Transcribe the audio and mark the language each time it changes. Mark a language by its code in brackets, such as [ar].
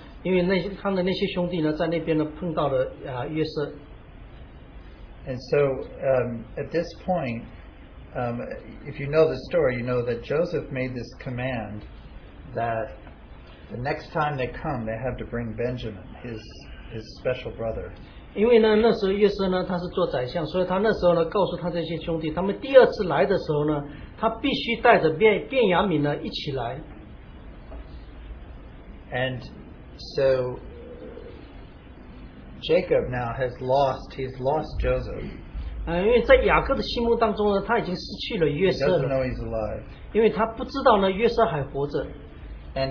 [en] And so at this point, if you know the story, you know that Joseph made this command that the next time they come, they have to bring Benjamin, his special brother. [zh] 因为呢，那时候约瑟呢，他是做宰相，所以他那时候呢，告诉他这些兄弟，他们第二次来的时候呢，他必须带着便雅悯呢一起来。 [en] And so Jacob now has lost, he's lost Joseph. [zh] 因为在雅各的心目当中呢，他已经失去了约瑟了。 [en] He doesn't know he's alive. [zh] 因为他不知道呢，约瑟还活着。 [en] And